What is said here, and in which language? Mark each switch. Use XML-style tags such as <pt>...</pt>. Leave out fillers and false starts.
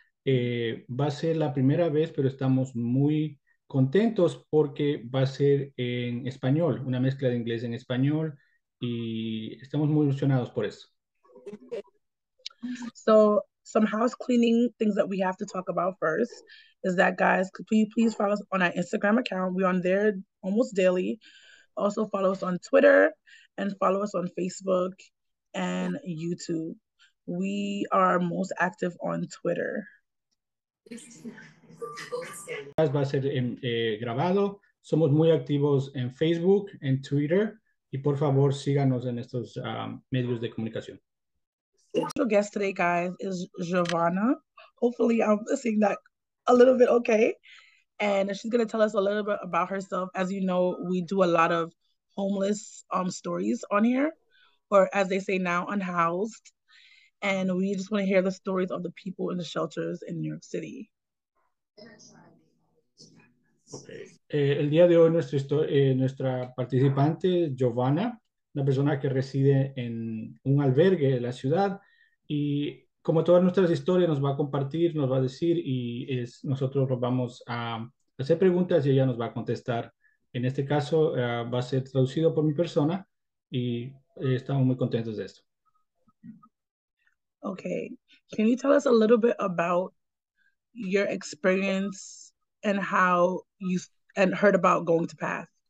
<es>Va a ser la primera vez, pero estamos muy contentos porque va a ser en español, una mezcla de inglés en español, y estamos muy emocionados por eso.</es> <en>So, some house cleaning things that we have to talk about first is that, guys, could you please follow us on our Instagram account? We're on there almost daily. Also, follow us on Twitter and follow us on Facebook and YouTube. We are most active on Twitter.</en> <es>Va a ser grabado. Somos muy activos en Facebook, en Twitter, y por favor síganos en estos medios de comunicación.</es> <en>Special guest today, guys, is Giovanna. Hopefully, I'm seeing that a little bit okay. And she's gonna tell us a little bit about herself. As you know, we do a lot of homeless stories on here, or as they say now, unhoused. And we just want to hear the stories of the people in the shelters in New York City.</en> <es>El día de hoy nuestra participante Giovanna, una persona que reside en un albergue de la ciudad, y como todas nuestras historias nos va a compartir, nos va a decir, y es nosotros nos vamos a hacer preguntas y ella nos va a contestar. En este caso va a ser traducido por mi persona y estamos muy contentos de esto.</es> <en>Okay, can you tell us a little bit about your experience and how you and heard about going to PATH?</en>